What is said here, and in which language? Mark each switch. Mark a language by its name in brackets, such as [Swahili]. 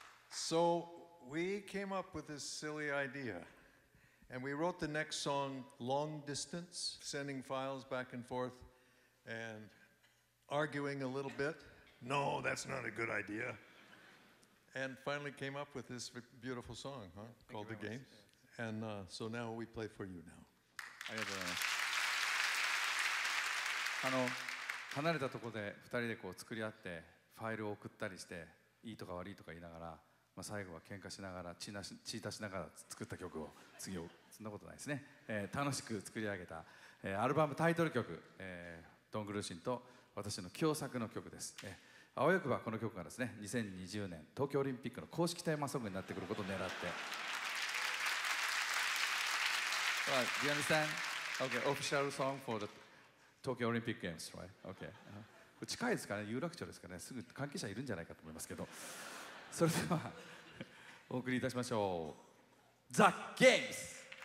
[English] So we came up with this silly idea, and we wrote the next song, Long Distance, sending files back and forth and arguing a little bit. No, that's not a good idea. And finally came up with this beautiful song, huh? Thank called The Games. Much. And so now we play for you now. I have a... [Japanese] 離れたところで2人でこう作り合ってファイルを送ったりしていいとか悪いとか言いながら、まあ、最後は喧嘩しながら血出しながら作った曲を次をそんなことないですね、楽しく作り上げた、アルバムタイトル曲、ドン・グルシンと私の共作の曲です。あわよくばこの曲がですね2020年東京オリンピックの公式テーマソングになってくることを狙って [English] Do you understand? Okay, official song for the Tokyo Olympic Games, right? Okay. [Japanese] 近いですかね、有楽町ですかね、すぐ関係者いるんじゃないかと思いますけど、それではお送りいたしましょう。 [English] The Games!